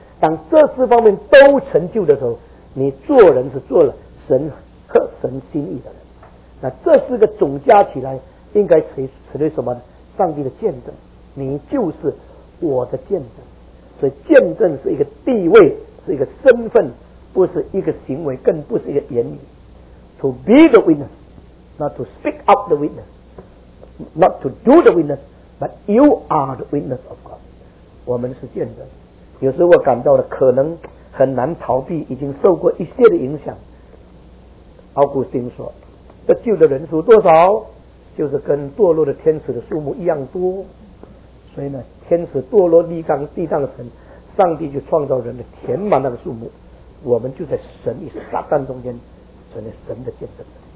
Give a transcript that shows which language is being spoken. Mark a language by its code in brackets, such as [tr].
[zh] 当这四方面都成就的时候，你做人是做了神合神心意的人。那这四个总加起来应该成为什么呢？上帝的见证，你就是我的见证。所以见证是一个地位，是一个身份，不是一个行为，更不是一个言语。 [en] To be the witness， not to speak up the witness， not to do the witness， but you are the witness of God。 [zh] 我们是见证。有时候我感到了可能很难逃避已经受过一些的影响，奥古斯丁说，得救的人数多少，就是跟堕落的天使的数目一样多。所以呢，天使堕落地上，地上的神，上帝就创造人的填满那个数目，我们就在神与撒旦中间成了神的见证人。